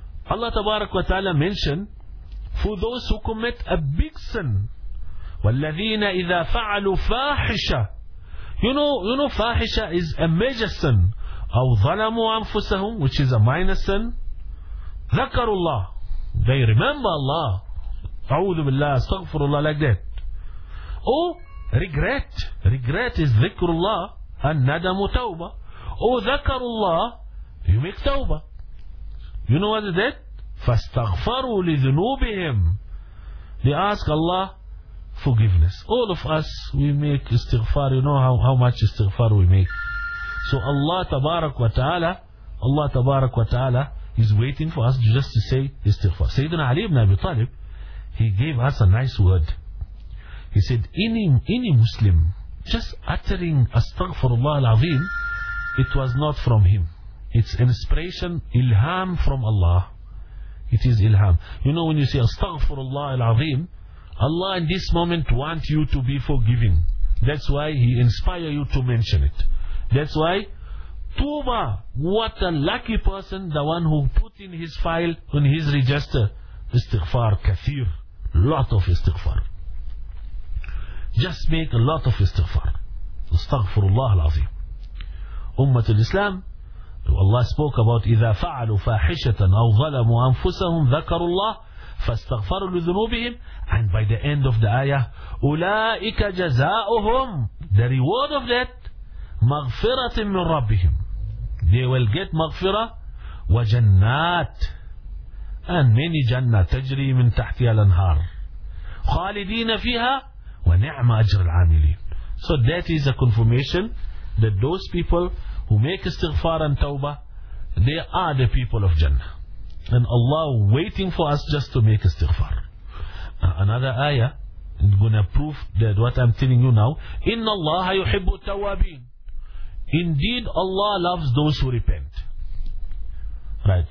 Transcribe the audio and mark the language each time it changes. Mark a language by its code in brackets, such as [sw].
[en] Allah tabarak wa ta'ala mentioned, for those who commit a big sin, [ar] وَالَّذِينَ إِذَا فَعَلُوا فَاحِشَ. [en] You know, fahisha is a major sin. [ar] أَوْ ظَلَمُوا أَنفُسَهُمْ, [en] which is a minor sin. [ar] ذَكَرُوا اللَّهِ, [en] they remember Allah. [ar] أَعُوذُ بِاللَّهِ, أَسْتَغْفِرُ اللَّهِ, [en] like that. Or regret. Regret is [ar] ذِكْرُ اللَّهِ أَنَّدَمُ تَوْبَةً. [en] Or [ar] ذَكَرُوا اللَّهِ, [en] you make tawbah. You know what is that? [ar] فَاسْتَغْفَرُوا لِذُنُوبِهِمْ. [en] They ask Allah forgiveness. All of us, we make istighfar. You know how much istighfar we make. So Allah Tabarak wa Ta'ala, Allah Tabarak wa Ta'ala is waiting for us just to say istighfar. Sayyidina Ali ibn Abi Talib, he gave us a nice word. He said, any Muslim just uttering astaghfirullah al-azim, it was not from him. It's inspiration, ilham from Allah. It is ilham. You know, when you say astaghfirullah al-azim, Allah in this moment wants you to be forgiving. That's why he inspire you to mention it. That's why Tuba, what a lucky person, the one who put in his file, in his register, istighfar kathir, lot of istighfar. Just make a lot of istighfar. Astaghfirullah al-azim. [ar] Ummat al-Islam, [en] Allah spoke about [ar] إِذَا فَعَلُوا فَاحِشَةً أَوْ ظَلَمُوا أَنفُسَهُمْ ذَكَرُوا اللَّهِ فَاسْتَغْفَرُوا لِذُنُوبِهِمْ. [en] And by the end of the ayah, [ar] أُولَٰئِكَ جَزَاؤُهُمْ, [en] the reward of that, [ar] مَغْفِرَةٍ مِّن رَبِّهِمْ, [en] they will get [ar] مغفرة وجنات, and many جنات تجري من تحتها الأنهار خالدين فيها ونعم أجر العاملين. [en] So that is a confirmation that those people who make istighfar and tawbah, they are the people of Jannah. And Allah waiting for us just to make istighfar. Another ayah is going to prove that what I'm telling you now. [ar] Inna Allah yuhibbu tawabin. [en] Indeed, Allah loves those who repent. Right.